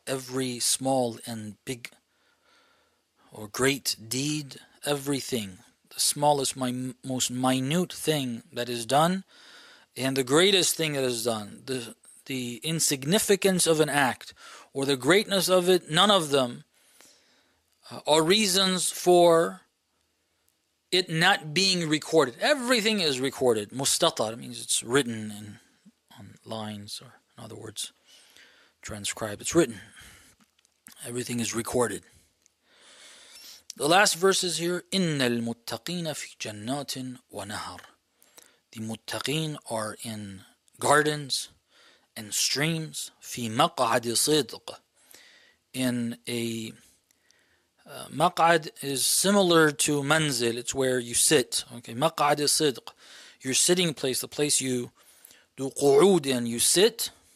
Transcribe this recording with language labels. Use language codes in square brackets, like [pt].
[en] Every small and big or great deed, everything, the smallest, most minute thing that is done, and the greatest thing that is done, the insignificance of an act, or the greatness of it, none of them are reasons for it not being recorded. Everything is recorded. مُسْتَطَرٍ means it's written in, on lines or, in other words, transcribe, it's written. Everything is recorded. The last verses here, [ar] إِنَّ الْمُتَّقِينَ فِي جَنَّاتٍ وَنَهَرٍ. [en] The muttaqeen are in gardens and streams. [ar] فِي مَقْعَدِ صِدْقٍ. [en] In a maq'ad is similar to manzil, it's where you sit. Okay, maq'adi sidq, your sitting place, the place you do qu'ud in, you sit.